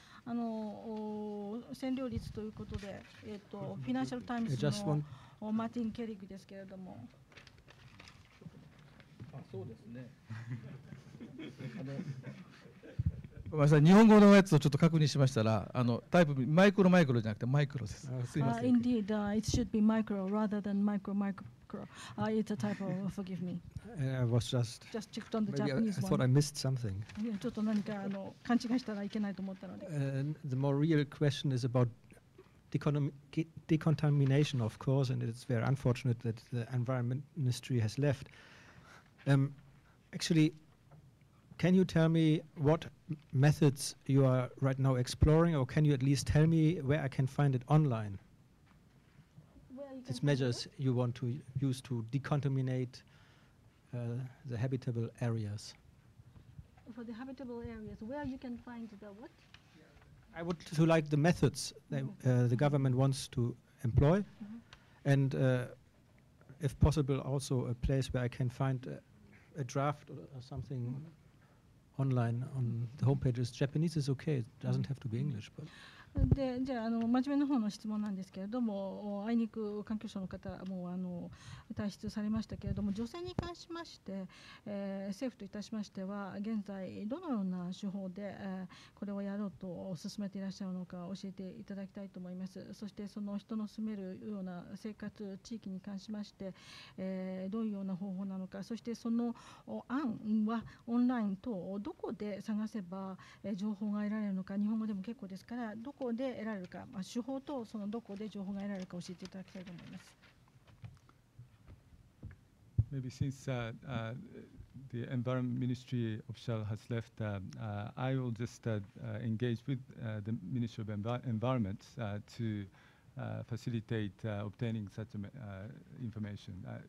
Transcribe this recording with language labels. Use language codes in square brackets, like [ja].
[ja] 占領率ということで、フィナンシャルタイムズのマーティン・ケリグですけれども。ごめんなさい、日本語のやつをちょっと確認しましたら、あのタイプマイクロマイクロじゃなくてマイクロです。すいません。 [en] Indeed, it should be micro rather than micro micro. It's a typo. Forgive me. I was just checked on the Japanese one. I thought I missed something. [ja] ちょっと何かあの勘違いしたらいけないと思ったので。 [en] The more real question is about decontamination, of course, and it's very unfortunate that the Environment Ministry has left. Actually, can you tell me what methods you are right now exploring, or can you at least tell me where I can find it online? These measures you want to use to decontaminate the habitable areas. For the habitable areas, where you can find the what? I would to like the methods that the government wants to employ, mm-hmm. and if possible, also a place where I can find a draft or something mm-hmm. online on the homepage. It's Japanese, it's okay. It doesn't mm-hmm. have to be English, but. [ja] でじゃあ、 あの真面目の方の質問なんですけれども、あいにく環境省の方もあの退出されましたけれども、除染に関しまして、政府といたしましては現在どのような手法で、これをやろうと進めていらっしゃるのか教えていただきたいと思います。そしてその人の住めるような生活地域に関しまして、どういうような方法なのか、そしてその案はオンライン等をどこで探せば、情報が得られるのか、日本語でも結構ですから、どこで得られるか、まあ、手法とそのどこで情報が得られるか教えていただきたいと思います。 [en] Maybe since the Environment Ministry official has left, I will just engage with the Ministry of Environment to facilitate obtaining such information.